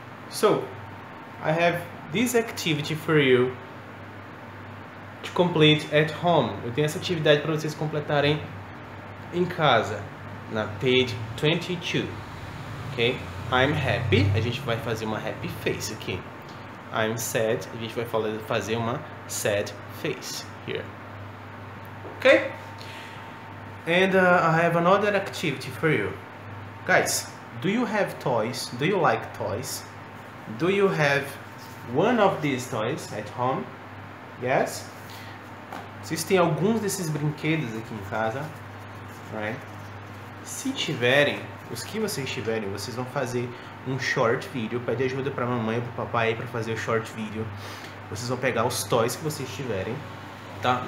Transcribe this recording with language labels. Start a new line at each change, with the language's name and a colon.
English: So, I have this activity for you to complete at home.
Portuguese: Eu tenho essa atividade para vocês completarem em casa.
English: Na page 22. Ok? I'm happy.
Portuguese: A gente vai fazer uma happy face aqui.
English: I'm sad.
Portuguese: A gente vai fazer uma sad face here.
English: Ok? And I have another activity for you. Guys, do you have toys? Do you like toys? Do you have one of these toys at home? Yes?
Portuguese: Vocês têm alguns desses brinquedos aqui em casa?
English: Right?
Portuguese: Se tiverem, os que vocês tiverem, vocês vão fazer um short video. Pede ajuda pra mamãe e pro papai pra fazer o short video. Vocês vão pegar os toys que vocês tiverem. Tá?